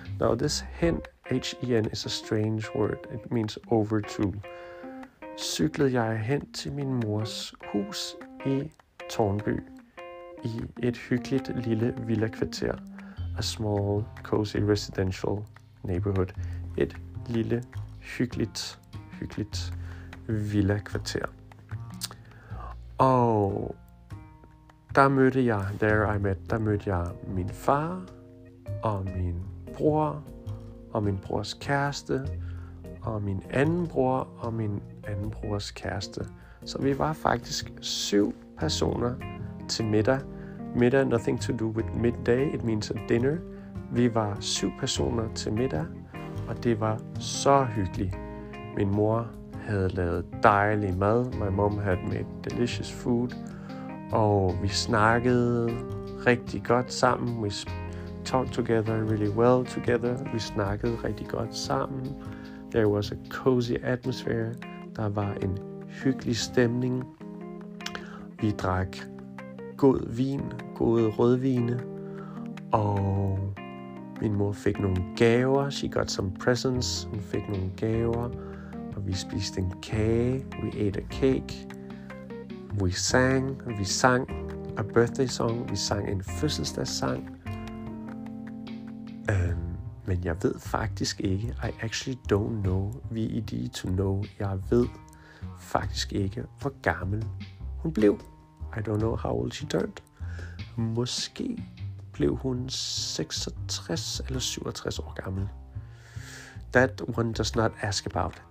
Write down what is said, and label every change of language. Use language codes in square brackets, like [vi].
[en] Now this hen, H-E-N, is a strange word. It means over to. [da] Cyklede jeg hen til min mors hus i Tårnby, i et hyggeligt lille villakvarter. [en] A small, cozy residential neighborhood. [da] Et lille, hyggeligt, hyggeligt villakvarter. Og der mødte jeg, der mødte jeg min far og min bror og min brors kæreste og min anden bror og min anden brors kæreste. Så vi var faktisk 7 personer til middag. [en] Middag, nothing to do with midday, it means a dinner. [da] Vi var 7 personer til middag, og det var så hyggeligt. Min mor havde lavet dejlig mad. [en] My mom had made delicious food. [da] Og vi snakkede rigtig godt sammen. [en] We talked together really well together. [da] Vi snakkede rigtig godt sammen. [en] There was a cozy atmosphere. [da] Der var en hyggelig stemning. Vi drak god vin, gode rødvine. Og min mor fik nogle gaver. [en] She got some presents. [da] Hun fik nogle gaver. Og vi spiste en kage. [en] We ate a cake. [da] Vi sang [en] a birthday song. [da] Vi sang en fødselsdagssang. Men jeg ved faktisk ikke. [en] I actually don't know. We need to know. [da] Jeg ved faktisk ikke, hvor gammel hun blev. [en] I don't know how old she turned. [da] Måske blev hun 66 eller 67 år gammel. [en] That one does not ask about.